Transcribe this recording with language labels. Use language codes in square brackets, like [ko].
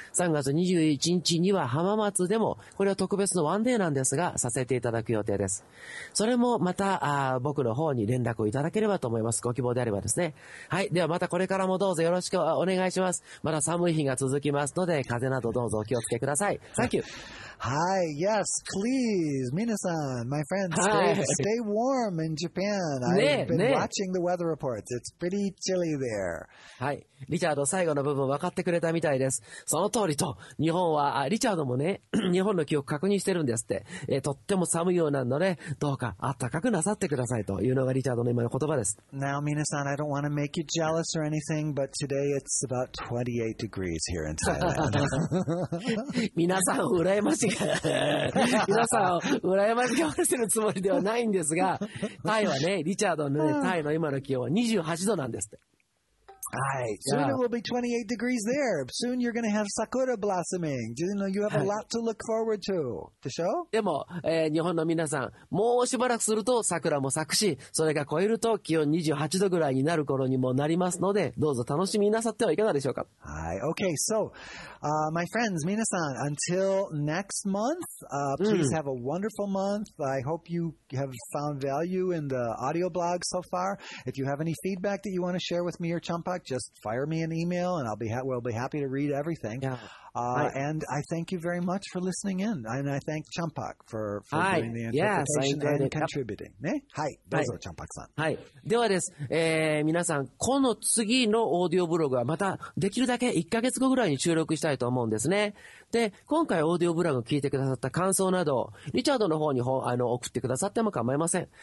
[ja] 3月21日には浜松でも、これは特別のワンデーなんですが、させていただく予定です。それもまた、僕の方に連絡をいただければと思います。ご希望であればですね。はい。ではまたこれからもどうぞよろしくお願いします。まだ寒い日が続きますので、風邪などどうぞお気をつけください。 [en] Thank you! Hi, yes, please, Mina-san, my friends, stay warm in Japan. I've been watching the weather reports. It's pretty chilly there. [ja] はい、リチャード最後の部分分かってくれたみたいです。その通りと、日本は、リチャードもね、日本の記憶確認してるんですって、とっても寒いようなので、どうか暖かくなさってくださいというのがリチャードの今の言葉です。 [en] Now, Mina-san, I don't want to make you jealous or anything, but today it's about 28 degrees here in Thailand. [ja] 皆さん、羨ましい。皆さん、羨ましがわせるつもりではないんですが、タイはね、リチャードの、ね、タイの今の気温は28度なんですって。 [en] Soon it will be 28 degrees there. Soon you're going to have sakura blossoming. You know, you have a lot to look forward to. [ja] でしょ？でも、日本の皆さん、もうしばらくすると桜も咲くし、それが超えると気温28度ぐらいになる頃にもなりますので、どうぞ楽しみなさってはいかがでしょうか？はい。 [en] Okay, so, my friends, 皆さん、until next month, please have a wonderful month. I hope you have found value in the audio blog so far. If you have any feedback that you want to share with me or Champak, just fire me an email and we'll be happy to read everything. Yeah. And I thank you very much for listening in. And I thank Champak for doing the interpretation and contributing. [ja] ね、はい、どうぞ、Champak さん。はい。ではです、皆さん、この次のオーディオブログはまたできるだけ1ヶ月後ぐらいに収録したいと思うんですね。で、今回オーディオブログを聞いてくださった感想など、リチャードの方に送ってくださっても構いません。